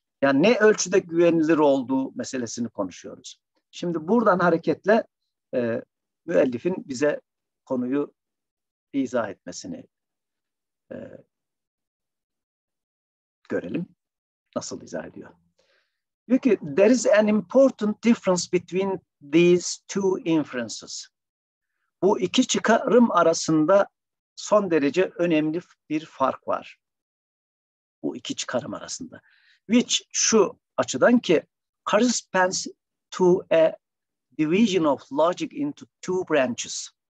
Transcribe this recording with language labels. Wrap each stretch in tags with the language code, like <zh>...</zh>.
<tr>Yani ne ölçüde güvenilir olduğu meselesini konuşuyoruz. Şimdi buradan hareketle müellifin bize konuyu izah etmesini görelim. Nasıl izah ediyor? Diyor ki,</tr> <en>there is an important difference between these two inferences.</en> <tr>Bu iki çıkarım arasında son derece önemli bir fark var. Bu iki çıkarım arasında.</tr> <en>Which</en> <tr>şu açıdan ki,</tr> <en>corresponds to a division of logic into two branches.</en>